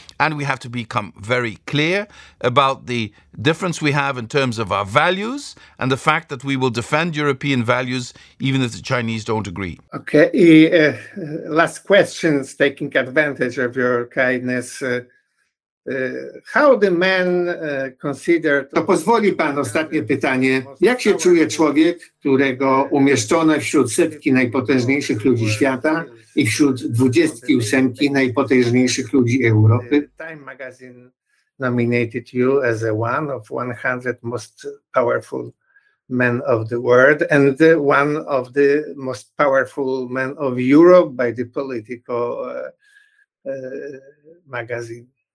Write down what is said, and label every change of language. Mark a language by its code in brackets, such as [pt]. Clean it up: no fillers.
[en] And we have to become very clear about the difference we have in terms of our values and the fact that we will defend European values even if the Chinese don't agree. Okay. Last questions, taking advantage of your kindness. How the man considered... [pl] To pozwoli pan, ostatnie pytanie. Jak się czuje człowiek, którego umieszczono wśród setki najpotężniejszych ludzi świata i wśród 28 najpotężniejszych ludzi Europy? [en] Time magazine nominated you as one of 100 most powerful men of the world and one of the most powerful men of Europe by the Politico magazine.